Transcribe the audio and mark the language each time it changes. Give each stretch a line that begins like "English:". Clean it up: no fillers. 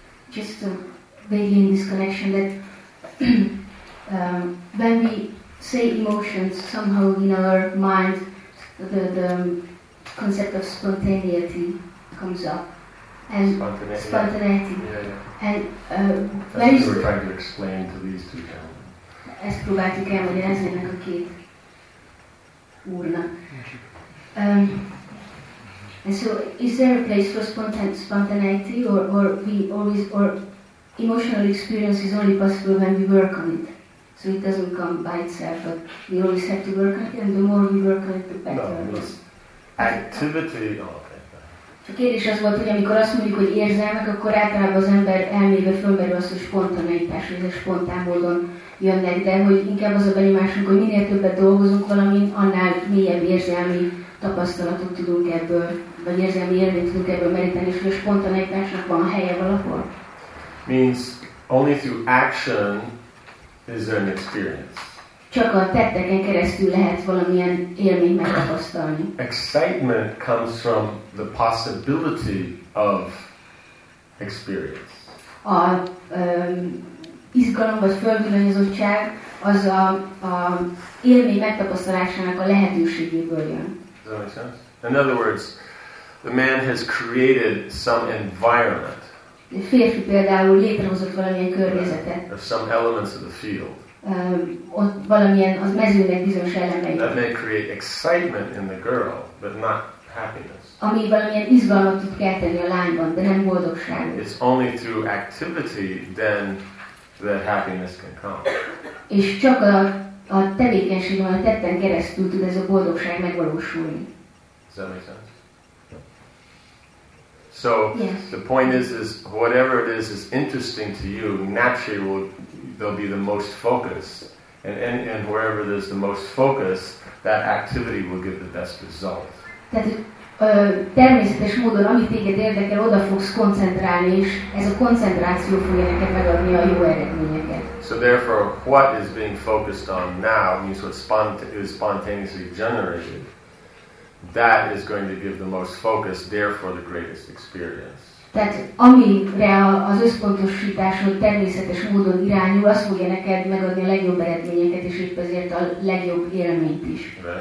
English: Just to begin this connection that when we say emotions, somehow in our mind the concept of spontaneity comes up. And spontaneity. Yeah. And that's what you were trying to explain to these two gentlemen.
Hungarian: Ezt próbáltuk elmagyarázni ennek a két úrnak.
English: And so, is there a place for spontaneity, or we always, or emotional experience is only possible when we work on it? So it doesn't come by itself, but we always have to work on it, and the more we work on it, the better. No, activity.
Hungarian: A kérdés az volt, hogy amikor azt mondjuk, hogy érzelmek, akkor általában az ember elmébe fölmerül azt, hogy spontaneitás, hogy ez spontán módon jönnek, de hogy inkább az a benyomásunk, hogy minél többet dolgozunk valamin, annál mélyebb érzelmi tapasztalatot tudunk ebből, vagy érzelmi érvényt tudunk ebből meríteni, és hogy a spontaneitásnak van helye valahol.
English: Means only through action is there an experience.
Hungarian: Csak a tetteken keresztül lehet valamilyen élmény megtapasztalni.
English: Excitement comes from the possibility of experience.
Hungarian: A izgalom vagy fölvilányozottság az a élmény megtapasztalásának a lehetőségéből jön.
English: Does that make sense? In other words, the man has created some environment.
Hungarian: A férfi például létrehozott valamilyen környezetet.
English: Of some elements of the field.
Hungarian: Ott valamilyen az mezőnek bizonyos elemeit.
English: That may create excitement in the girl, but not happiness.
Hungarian: Ami valamilyen izgalmat tud kelteni a lányban, de nem boldogságot.
English: It's only through activity then that happiness can come.
Hungarian: És csak a tevékenység, a tetten keresztül tud ez a boldogság megvalósulni.
English: Does that make sense? So the point is whatever it is interesting to you, naturally there'll be the most focus, and wherever there's the most focus, that activity will give the best result.
Hungarian: Tehát természetes módon, ami téged érdekel, oda fogsz koncentrálni, és ez a koncentráció fogja neked megadni a jó eredményeket.
English: So therefore, what is being focused on now means what spontaneously generated. That is going to give the most focus, therefore the greatest experience.
Hungarian: Tehát amire az összpontosításod természetes módon irányul, az fogja neked megadni a legjobb eredményeket, és épp ezért a legjobb élményt is.